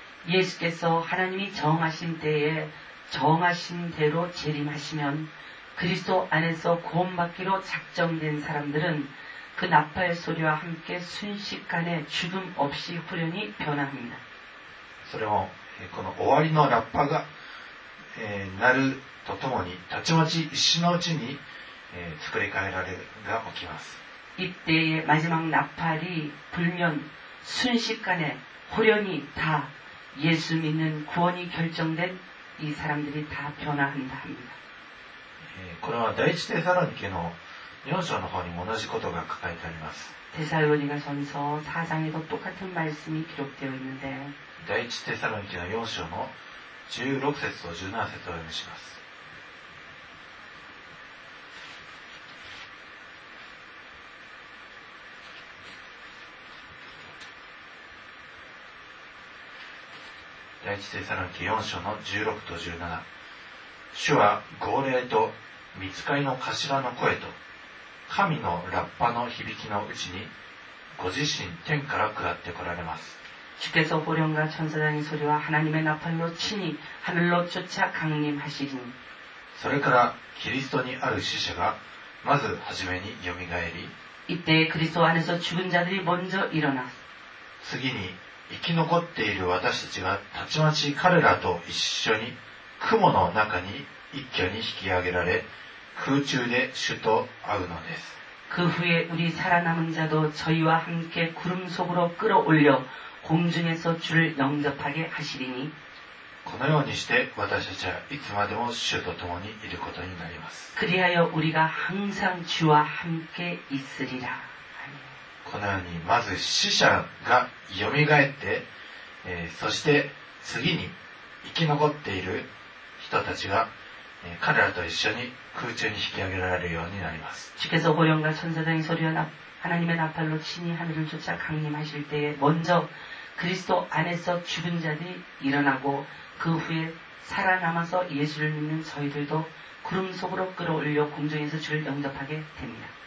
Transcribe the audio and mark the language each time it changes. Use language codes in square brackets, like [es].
[ko] イエス께서하나님이정하신때에정하신대로재림하시면그리스도안에서구원받기로작정된사람들은그나팔소리와함께순식간에죽음없이후련이변합니다 [ja] それもこの終わりのラッパが鳴るとともにたちまち一瞬のうちに作り変えられるが起きます。 [ko] 이때의마지막나팔이불면순식간에후련이다예수믿는구원이결정된이사람들이다변화한다합니다 [ja] これは第一テサロニケの4章の方にも同じことが書かれてあります。 [ko] テサロニケ전서4장에도똑같은말씀이기록되어있는데 [ja] 第一テサロニケの4章の16節と17節を読みします。第一テサロニケ4章の16と17、主は号令と御使いの頭の声と神のラッパの響きのうちにご自身天から下ってこられます。 [ko] 주께서호령과천사장의소리와하나님의나팔로친히하늘로쫓아강림하시리니 [ja] それからキリストにある死者がまずはじめによみがえり [ko] 이때그리스도안에서죽은자들이먼저일어나 [ja] 次に生き残っている私たちがたちまち彼らと一緒に雲の中に一挙に引き上げられ空中で主と会うのです。 [ko] 그후에우리살아남은자도저희와함께구름속으로끌어올려공중에서주를영접하게하시리니 [ja] このようにして私たちはいつまでも主と共にいることになります。 [ko] 그리하여우리가항상주와함께있으리라 [ja] このようにまず死者がよみがえって、そして次に生き残っている人たちが彼らと一緒に空中に引き上げられるようになります。 [ko] 주께서호령과천사장의소리와나하나님의나팔로친히하늘을쫓아강림하실때에먼저그리스도안에서죽은자들이일어나고그후에살아남아서예수를믿는저희들도구름속으로끌어올려공중에서주를영접하게됩니다